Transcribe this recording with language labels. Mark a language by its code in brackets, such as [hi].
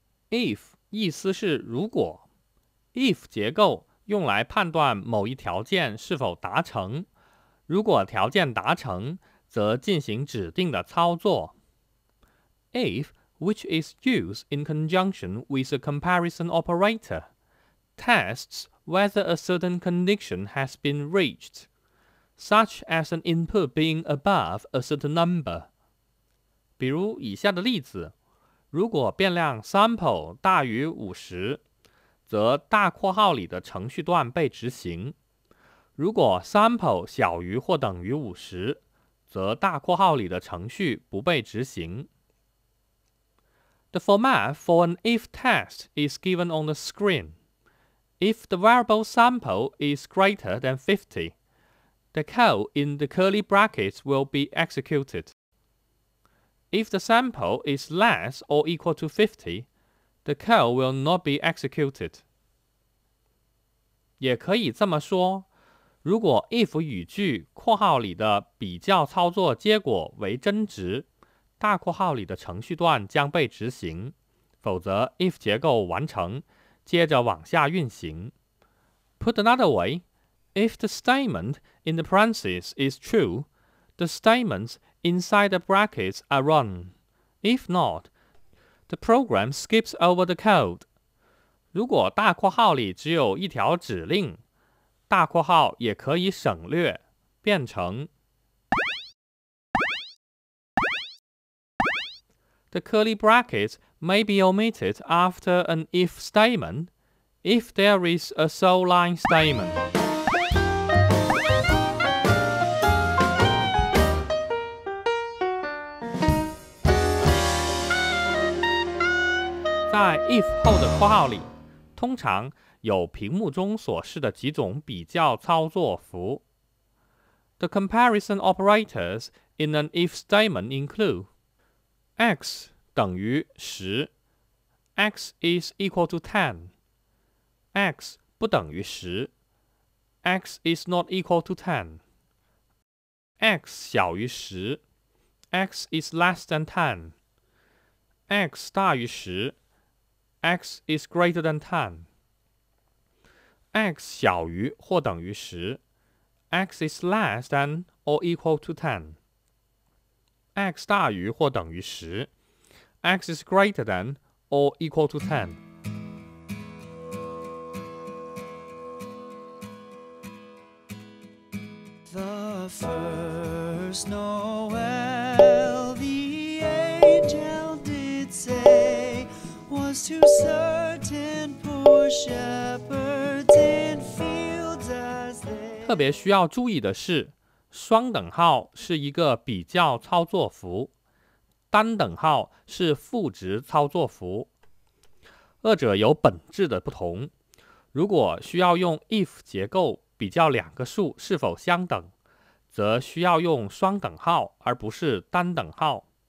[zh] if 意思是如果， if 结构用来判断某一条件是否达成，如果条件达成则进行指定的操作。 [en] if which is used in conjunction with a comparison operator tests whether a certain condition has been reached, such as an input being above a certain number. [zh] 比如以下的例子，如果变量 sample 大于50，则大括号里的程序段被执行。如果 sample 小于或等于50，则大括号里的程序不被执行。 [en] The format for an if test is given on the screen. If the variable sample is greater than 50, the code in the curly brackets will be executed. If the sample is less or equal to 50, the code will not be executed. [zh] 也可以这么说，如果 if 语句括号里的比较操作结果为真值，大括号里的程序段将被执行，否则 if 结构完成，接着往下运行。 [en] Put another way, if the statement in the parentheses is true, the statements inside the brackets are run. If not, the program skips over the code. [zh] 如果大括号里只有一条指令，大括号也可以省略，变成 [en] The curly brackets may be omitted after an if statement if there is a so line statement. [zh] 在 if 后的括号里，通常有屏幕中所示的几种比较操作符。 [en] The comparison operators in an if statement include x [zh] 等于10 [en] x is equal to 10 x [zh] 不等于10 [en] x is not equal to 10 x [zh] 小于10 [en] x is less than 10 x [zh] 大于10 [en] x is greater than 10 x [zh] 小于或等于10 [en] x is less than or equal to 10x [zh] 大于或等于10 [en] x is greater than or equal to 10。 The first Noel the angel did say was to certain poor shepherds in fields as they [zh] 特别需要注意的是，双等号是一个比较操作符，单等号是赋值操作符，二者有本质的不同。如果需要用 if 结构比较两个数是否相等，则需要用双等号而不是单等号。